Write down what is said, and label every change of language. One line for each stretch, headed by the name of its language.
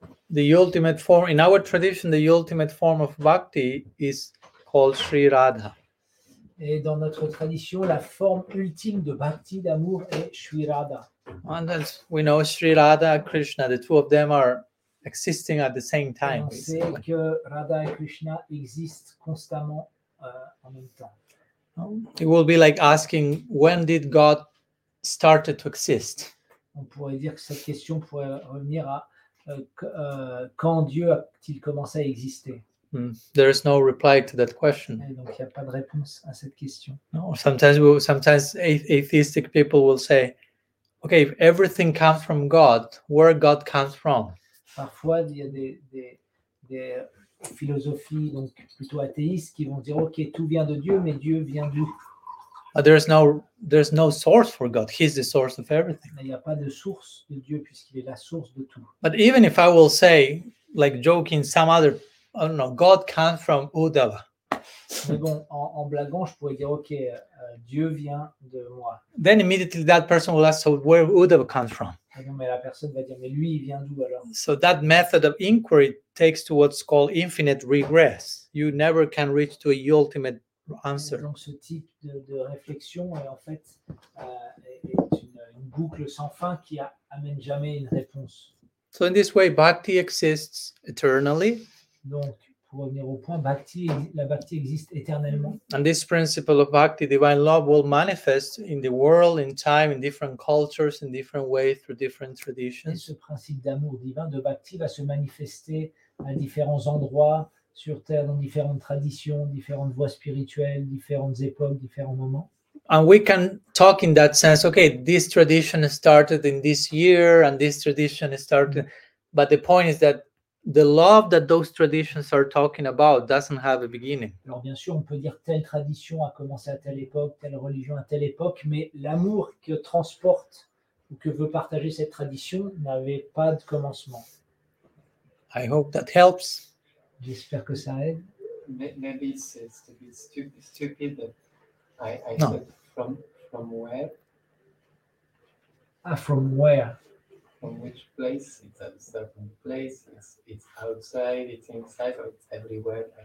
English: The ultimate form, in our tradition, the ultimate form of bhakti is called Sri Radha.
French: Et dans notre tradition, la forme ultime de bhakti, d'amour, est Sri Radha.
English: And as we know, Sri Radha, Krishna, the two of them are existing at the same time.
French: Et on sait que Radha et Krishna existent constamment en même temps.
English: It will be like asking, when did God start to exist?
French: On pourrait dire que cette question pourrait revenir à quand Dieu a-t-il commencé à exister?
English: There is no reply to that question.
French: Et donc, il n'y a pas de réponse à cette question.
English: No, sometimes atheistic people will say, okay, if everything comes from God, where God comes from?
French: Parfois, il y a des philosophie donc plutôt athéiste qui vont dire ok tout vient de Dieu mais Dieu vient d'où?
English: There's no source for God. He's the source of everything.
French: Il n'y a pas de source de Dieu puisqu'il est la source de tout.
English: But even if I will say like joking some other I don't know God comes from Uddhava.
French: Mais bon en blaguant je pourrais dire ok Dieu vient de moi.
English: Then immediately that person will ask so where Uddhava comes from?
French: Non, mais la personne va dire, mais lui, il vient d'où alors?
English: So that method of inquiry takes to what's called infinite regress. You never can reach to a ultimate answer.
French: Donc ce type de réflexion est en fait est une boucle sans fin qui amène jamais une réponse.
English: So in this way, bhakti exists eternally.
French: Donc pour revenir au point, la bhakti existe éternellement.
English: And this principle of bhakti, divine love, will manifest in the world, in time, in different cultures, in different ways, through different traditions.
French: Et ce principe d'amour divin, de bhakti, va se manifester à différents endroits sur Terre, dans différentes traditions, différentes voies spirituelles, différentes époques, différents moments.
English: And we can talk in that sense, okay, this tradition started in this year, and this tradition started, but the point is that the love that those traditions are talking about doesn't have a beginning.
French: Alors bien sûr, on peut dire telle tradition a commencé à telle époque, telle religion à telle époque, mais l'amour que transporte ou que veut partager cette tradition n'avait pas de commencement.
English: I hope that helps.
French: J'espère que ça aide.
English: Maybe it's a bit stupid, but I said from where? Ah, from where? From which place? It's a certain place. It's outside. It's inside. Or it's everywhere.